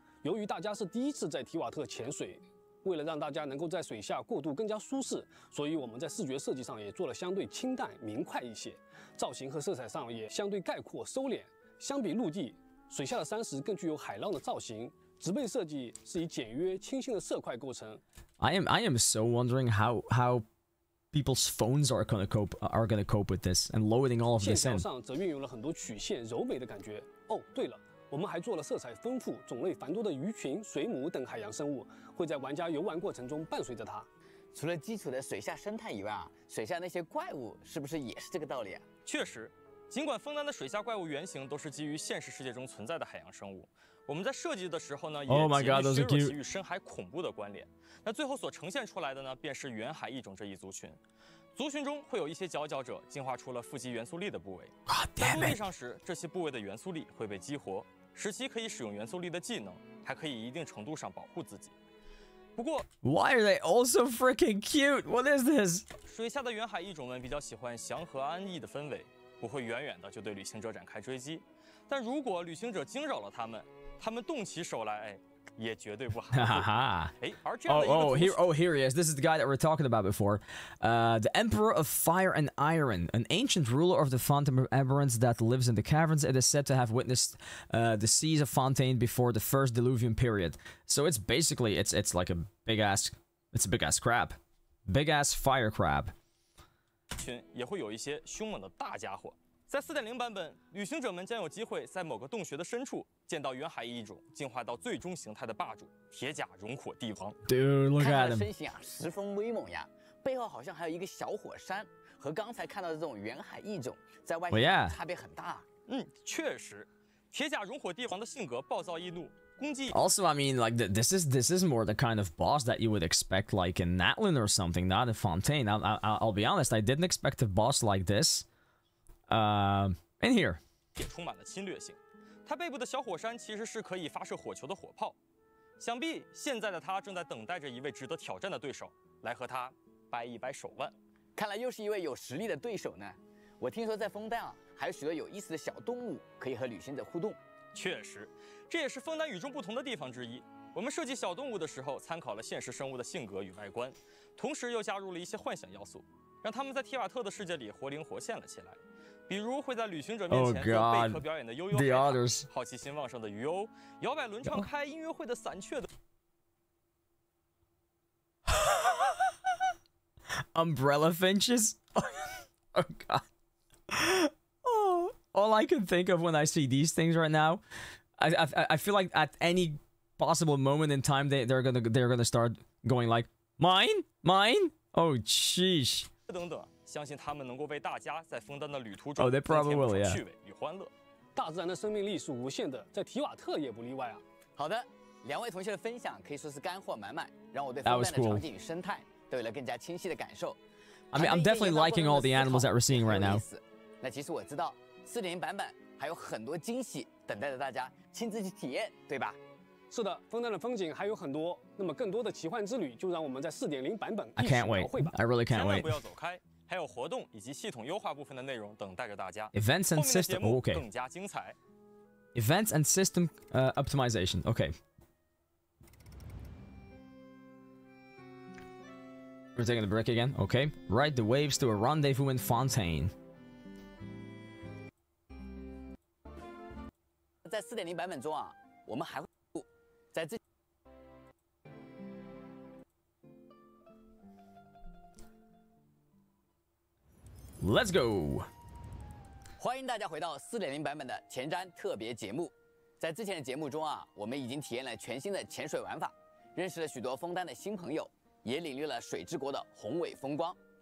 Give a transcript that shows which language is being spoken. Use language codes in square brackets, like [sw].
[zh] 由于大家是第一次在提瓦特潜水，为了让大家能够在水下过渡更加舒适，所以我们在视觉设计上也做了相对清淡明快一些，造型和色彩上也相对概括收敛。相比陆地，水下的山石更具有海浪的造型。植被设计是以简约清新的色块构成。 [en] I am so wondering how people's phones are gonna cope with this and loading all of this in. [zh] 线条上则运用了很多曲线柔美的感觉。哦，对了，我们还做了色彩丰富、种类繁多的鱼群、水母等海洋生物，会在玩家游玩过程中伴随着它。除了基础的水下生态以外，水下那些怪物是不是也是这个道理啊？确实。尽管枫丹的水下怪物原型都是基于现实世界中存在的海洋生物，我们在设计的时候呢，也基于削弱其与深海恐怖的关联。那最后所呈现出来的呢，便是远海异种这一族群。族群中会有一些佼佼者进化出了富集元素力的部位，在陆地上时，这些部位的元素力会被激活，使其可以使用元素力的技能，还可以一定程度上保护自己。不过 [en] ，Why are they all so freaking cute? What is this? [zh] 水下的远海异种们比较喜欢祥和安逸的氛围。不会远远的就对旅行者展开追击，但如果旅行者惊扰了他们动起手来，哎，也绝对不好。 [en] Here he is. This is the guy that we're talking about before. The Emperor of Fire and Iron, an ancient ruler of the Fontaine of Emerence that lives in the caverns. It is said to have witnessed the seas of Fontaine before the first diluvium period. So it's basically it's like a big ass crab. big ass fire crab. [zh] 群也会有一些凶猛的大家伙。在4.0版本，旅行者们将有机会在某个洞穴的深处见到原海异种进化到最终形态的霸主铁甲熔火帝王。 [en] Dude, look at him. [zh] 看他的身形啊，十分威猛呀，背后好像还有一个小火山，和刚才看到的这种原海异种在外形上差别很大。 [en] Oh, yeah. [zh] 嗯，确实，铁甲熔火帝王的性格暴躁易怒。 [en] Also, I mean, like, this is more the kind of boss that you would expect, like, in Natlin or something, not in Fontaine. I'll be honest, I didn't expect a boss like this. In here. [zh] 也充满了侵略性。他背部的小火山其实是可以发射火球的火炮。想必现在的他正在等待着一位值得挑战的对手来和他掰一掰手腕。看来又是一位有实力的对手呢。我听说在枫丹啊，还有许多有意思的小动物可以和旅行者互动。确实，这也是枫丹与众不同的地方之一。我们设计小动物的时候，参考了现实生物的性格与外观，同时又加入了一些幻想要素，让他们在提瓦特的世界里活灵活现了起来。比如会在旅行者面前贝壳表演的悠悠海獭，好奇心旺盛的鱼鸥，摇摆轮唱开音乐会的散雀的。 [en] Umbrella finches. Oh God. All I can think of when I see these things right now, I feel like at any possible moment in time they're gonna start going like mine. Oh, sheesh. [zh] 等等，相信他们能够为大家在枫丹的旅途中增添不少趣味与欢乐。大自然的生命力是无限的，在提瓦特也不例外啊。好的，两位同学的分享可以说是干货满满，让我对枫丹的场景与生态都有了更加清晰的感受。 [en] I mean, I'm definitely liking all the animals that we're seeing right now. [zh] 那其实我知道。 4.0 版本还有很多惊喜等待着大家亲自去体验，对吧？是的，枫丹的风景还有很多，那么更多的奇幻之旅就让我们在 4.0 版本一起描绘吧。 [en] I can't wait. I really can't wait. [zh] 千万不要走开，还有活动以及系统优化部分的内容等待着大家。 [en] Events and system, okay. [zh] 更加精彩。 [en] Events and system, optimization, okay. We're taking a break again, okay. Ride the waves to a rendezvous in Fontaine. [zh] 在 4.0 版本中啊，我们还会在这。 [en] Let's go！ [zh] 欢迎大家回到 4.0 版本的前瞻特别节目。在之前的节目中啊，我们已经体验了全新的潜水玩法，认识了许多枫丹的新朋友，也领略了水之国的宏伟风光。